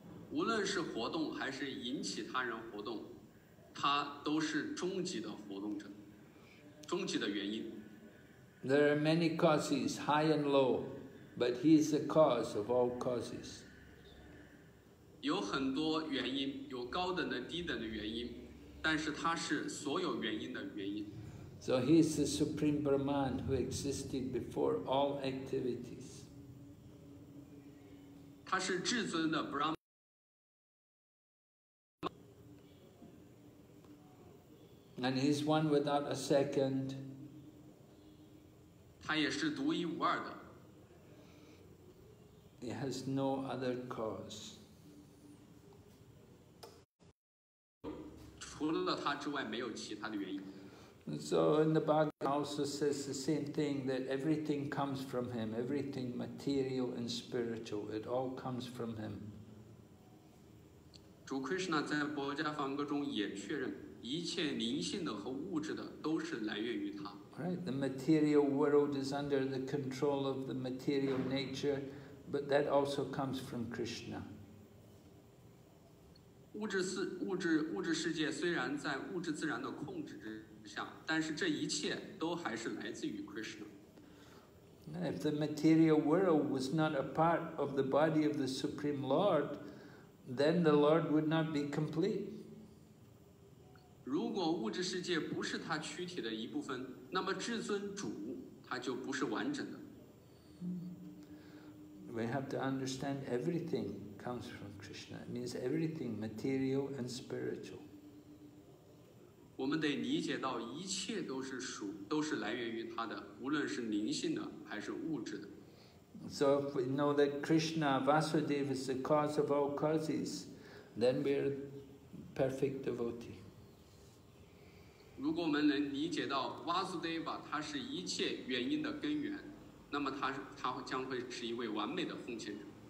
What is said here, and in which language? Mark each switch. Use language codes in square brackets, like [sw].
[zh] 无论是活动还是引起他人活动，他都是终极的活动者，终极的原因。 [en] There are many causes, high and low, but he is the cause of all causes. [zh] 有很多原因，有高等的、低等的原因，但是他是所有原因的原因。 [en] So he is the Supreme Brahman who existed before all activities. [zh] 他是至尊的 Brahman。 [en] And he is one without a second. [zh] 他也是独一无二的。 [en] He has no other cause. [zh] 除了他之外没有其他的原因。 [en] So in the Bhagavad Gita also says the same thing, that everything comes from him, everything material and spiritual, it all comes from him. [zh] 主 Krishna 在《薄伽梵歌》中也确认一切灵性的和物质的都是来源于他。 [en] Right, the material world is under the control of the material nature, but that also comes from Krishna. [zh] 物质世界虽然在物质自然的控制之下，但是这一切都还是来自于 Krishna. [en] If the material world was not a part of the body of the Supreme Lord, then the Lord would not be complete. [zh] 如果物质世界不是他躯体的一部分，那么至尊主他就不是完整的。 [en] We have to understand everything comes from Krishna. It means everything material and spiritual. [zh] 我们得理解到一切都是来源于他的，无论是灵性的还是物质的。 [en] So if we know that Krishna Vasudeva is the cause of all causes, then we are perfect devotee. [zh] 如果我们能理解到 Vasudeva 他是一切原因的根源，那么他将会是一位完美的奉献者。